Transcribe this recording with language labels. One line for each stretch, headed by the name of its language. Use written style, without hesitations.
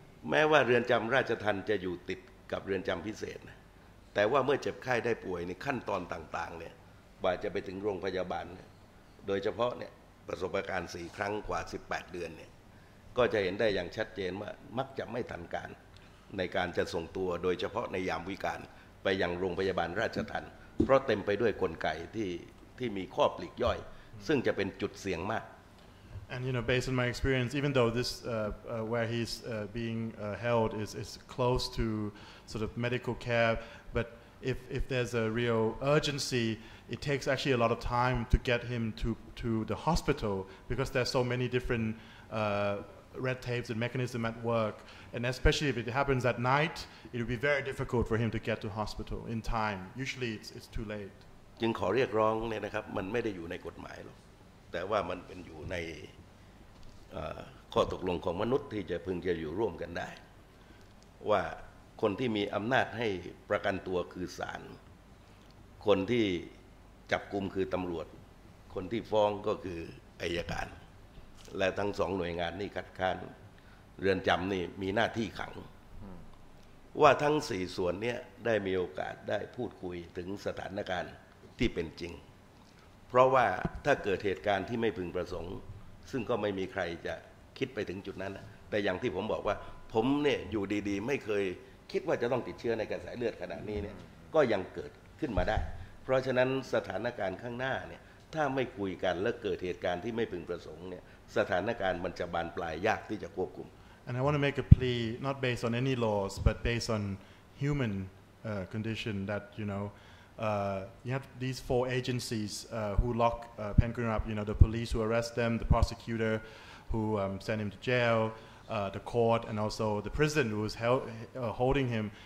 Thai: แม้ว่าเรือนจำราชทัณฑ์จะอยู่ติดกับเรือนจำพิเศษแต่ว่าเมื่อเจ็บไข้ได้ป่วยในขั้นตอนต่างๆเนี่ยกว่าจะไปถึงโรงพยาบาลโดยเฉพาะเนี่ยประสบการณ์4ครั้งกว่า18เดือนเนี่ยก็จะเห็นได้อย่างชัดเจนว่ามักจะไม่ทันการในการจะส่งตัวโดยเฉพาะในยามวิกาลไปยังโรงพยาบาลราชทัณฑ์เพราะเต็มไปด้วยกลไกที่มีข้อปลีกย่อยซึ่งจะเป็นจุดเสี่ยงมาก
English: And you know based on my experience even though this where he's being held is close to sort of medical care butIf there's a real urgency, it takes actually a lot of time to get him to the hospital because there's so many different red tapes and mechanisms at work. And especially if it happens at night, it would be very difficult for him to get to hospital in time. Usually it's too late.
Thai: จึงขอเรียกร้องเนี่ยนะครับมันไม่ได้อยู่ในกฎหมายหรอกแต่ว่ามันเป็นอยู่ในข้อตกลงของมนุษย์ที่จะพึงจะอยู่ร่วมกันได้ว่าคนที่มีอำนาจให้ประกันตัวคือศาลคนที่จับกุมคือตำรวจคนที่ฟ้องก็คืออัยการและทั้งสองหน่วยงานนี่คัดค้านเรือนจำนี่มีหน้าที่ขัง ว่าทั้งสี่ส่วนเนี้ยได้มีโอกาสได้พูดคุยถึงสถานการณ์ที่เป็นจริงเพราะว่าถ้าเกิดเหตุการณ์ที่ไม่พึงประสงค์ซึ่งก็ไม่มีใครจะคิดไปถึงจุดนั้นแต่อย่างที่ผมบอกว่าผมเนี่ยอยู่ดีๆไม่เคยคิดว่าจะต้องติดเชื้อในกระแสเลือดขนาดนี้เนี่ยก็ยังเกิดขึ้นมาได้เพราะฉะนั้นสถานการณ์ข้างหน้าเนี่ยถ้าไม่คุยกันและเกิดเหตุการณ์ที่ไม่พึงประสงค์เนี่ยสถานการณ์มันจะบานปลายยากที่จะควบคุม
English: And I want to make a plea not based on any laws but based on human condition that you know you have these four agencies who lock Penguin up, you know, the police who arrest them, the prosecutor who sent him to jail, the court, and also the prison who is holding him.